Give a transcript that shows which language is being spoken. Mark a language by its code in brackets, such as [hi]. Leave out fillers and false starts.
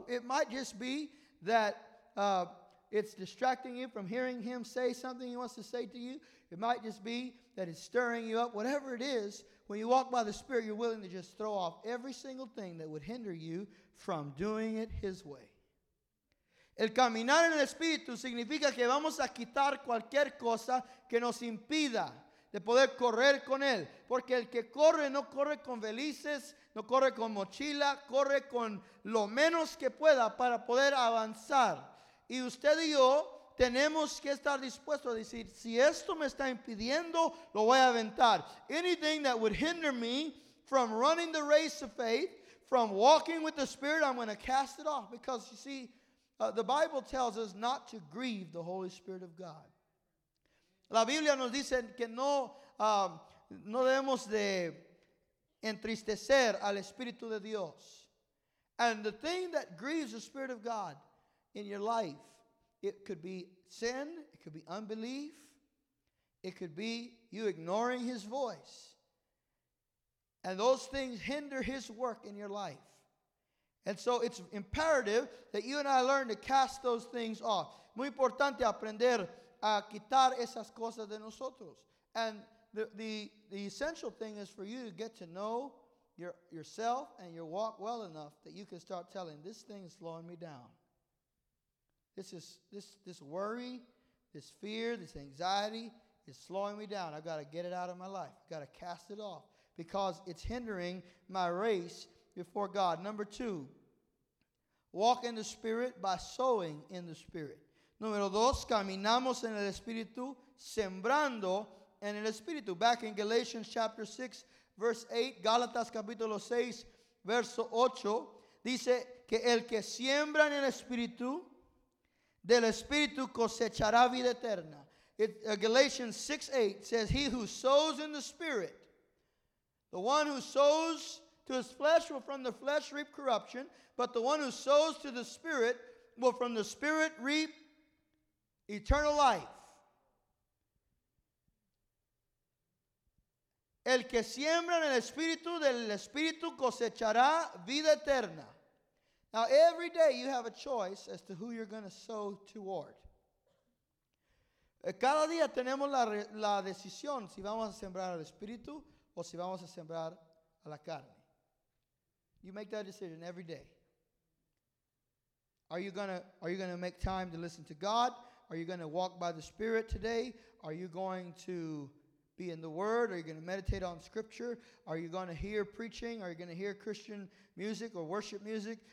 [en] It might just be that it's distracting you from hearing him say something he wants to say to you. It might just be that it's stirring you up. Whatever it is, when you walk by the Spirit, you're willing to just throw off every single thing that would hinder you from doing it his way. [es] El caminar en el Espíritu significa que vamos a quitar cualquier cosa que nos impida de poder correr con Él. Porque el que corre no corre con velices, no corre con mochila, corre con lo menos que pueda para poder avanzar. Y usted y yo tenemos que estar dispuestos a decir, si esto me está impidiendo, lo voy a aventar. [en] Anything that would hinder me from running the race of faith, from walking with the Spirit, I'm going to cast it off. Because you see, the Bible tells us not to grieve the Holy Spirit of God. [es] La Biblia nos dice que no debemos de entristecer al Espíritu de Dios. [en] And the thing that grieves the Spirit of God in your life, it could be sin, it could be unbelief, it could be you ignoring His voice. And those things hinder His work in your life. And so it's imperative that you and I learn to cast those things off. [es] Muy importante aprender a quitar esas cosas de nosotros. [en] And the essential thing is for you to get to know yourself and your walk well enough that you can start telling, this thing is slowing me down. This worry, this fear, this anxiety is slowing me down. I've got to get it out of my life. I've got to cast it off because it's hindering my race before God. Number two, walk in the Spirit by sowing in the Spirit. [es] Número dos, caminamos en el Espíritu, sembrando en el Espíritu. [en] Back in Galatians chapter 6, verse 8, [es] Gálatas capítulo 6, verso 8, dice que el que siembra en el Espíritu, del Espíritu cosechará vida eterna. [en] Galatians 6, 8 says, he who sows in the Spirit, the one who sows to his flesh will from the flesh reap corruption, but the one who sows to the Spirit will from the Spirit reap eternal life. [es] El que siembra en el Espíritu, del Espíritu cosechará vida eterna. [en] Now, every day you have a choice as to who you're going to sow toward. [es] Cada día tenemos la decisión si vamos a sembrar al Espíritu o si vamos a sembrar a la carne. [en] You make that decision every day. Are you gonna make time to listen to God? Are you going to walk by the Spirit today? Are you going to be in the Word? Are you going to meditate on Scripture? Are you going to hear preaching? Are you going to hear Christian music or worship music?